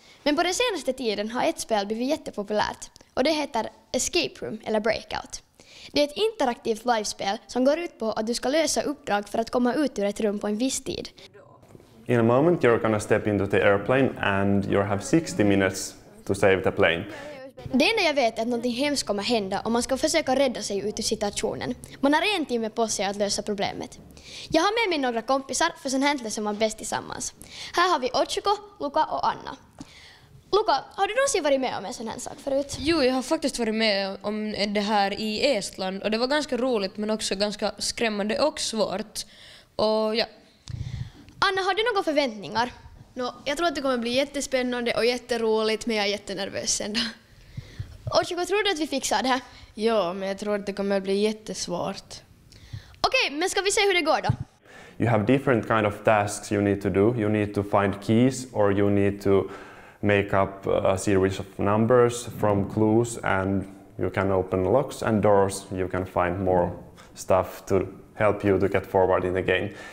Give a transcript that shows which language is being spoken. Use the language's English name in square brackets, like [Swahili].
[Swedish] Men på den senaste tiden har ett spel blivit jättepopulärt. Och det heter Escape Room eller Breakout. Det är ett interaktivt livespel som går ut på att du ska lösa uppdrag för att komma ut ur ett rum på en viss tid. [English] In a moment you're gonna step into the airplane and you have 60 minutes to save the plane. [Swedish] Det enda jag vet är att något hemskt kommer hända och man ska försöka rädda sig ut ur situationen. Man har en timme på sig att lösa problemet. Jag har med mig några kompisar för sån händelse som man bäst tillsammans. Här har vi Otsuko, Luka och Anna. Luka, har du någonsin varit med om en sån här sak förut? Jo, jag har faktiskt varit med om det här i Estland och det var ganska roligt men också ganska skrämmande och svårt. Och ja. Anna, har du några förväntningar? No, jag tror att det kommer bli jättespännande och jätteroligt men jag är jättenervös ändå. Otsuko, tror du att vi fixar det här? Ja, men jag tror att det kommer bli jättesvårt. Okej, men ska vi se hur det går då? [English] You have different kind of tasks you need to do. You need to find keys or you need to make up a series of numbers from clues and you can open locks and doors. You can find more stuff to help you to get forward in the game.